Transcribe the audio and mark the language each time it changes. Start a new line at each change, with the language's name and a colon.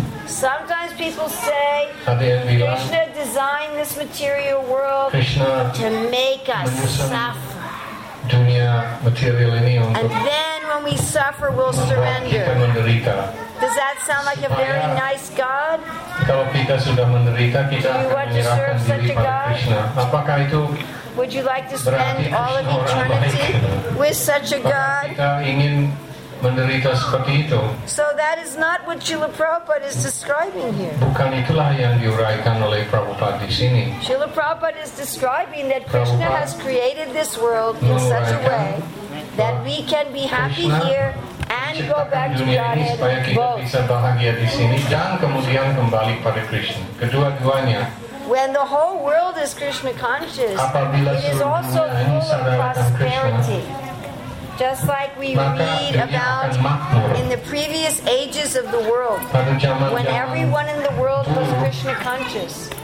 English: Sometimes people say Krishna designed this material world to make us suffer.
Indonesian: Dunia material ini untuk
English: and then when we suffer, we'll surrender. Does that sound like a very nice God?
Indonesian: Kalau kita sudah menderita, kita akan menyerahkan diri pada Krishna. Apakah itu?
English: Would you like to spend all of eternity with such a God?
Indonesian: Menderita seperti itu.
English: So that is not what Srila Prabhupada is describing here.
Indonesian: Bukan itulah yang diuraikan oleh Prabhupada di sini.
English: Srila Prabhupada is describing that Krishna has created this world in such a way that we can be happy here and go back to Godhead.
Indonesian: Supaya kita bisa bahagia di sini dan kemudian kembali pada Krishna. Kedua-duanya.
English: When the whole world is Krishna conscious,
Indonesian: apabila
English: it is also full of prosperity. Just like we read about in the previous ages of the world, when everyone in the world was Krishna conscious,